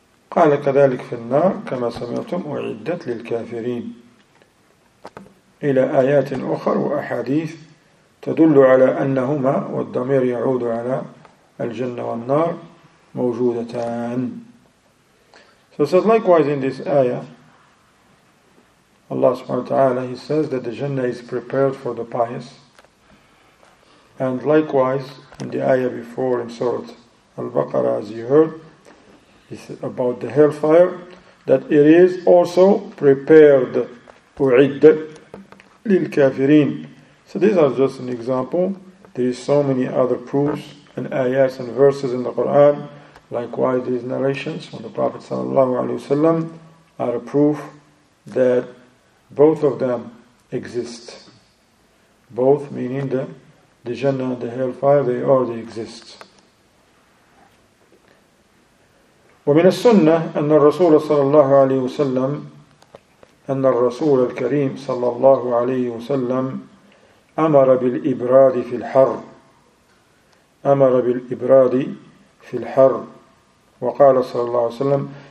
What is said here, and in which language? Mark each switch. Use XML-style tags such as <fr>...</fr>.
<ar>قال كذلك في النار كما سمعتم أعدت للكافرين إلى آيات أخرى وأحاديث تدل على أنهما والضمير يعود على الجنة والنار موجودتان.</ar> <en>So it says likewise in this ayah, Allah subhanahu wa ta'ala, He says that the Jannah is prepared for the pious. And likewise, in the ayah before in Surah Al-Baqarah, as you heard, it's about the hellfire, that it is also prepared,</en> <ar>u'iddat lil kafirin.</ar> <en>So these are just an example. There is so many other proofs and ayahs and verses in the Quran. Likewise, these narrations from the Prophet sallallahu alaihi wasallam are a proof that both of them exist. Both meaning the Jannah and the hellfire, they already exist.</en> <ar>ومن السنة أن الرسول صلى الله عليه وسلم أن الرسول الكريم صلى الله عليه وسلم أمر بالإبراد في الحر أمر بالإبراد في الحر وقال صلى الله عليه وسلم.</ar>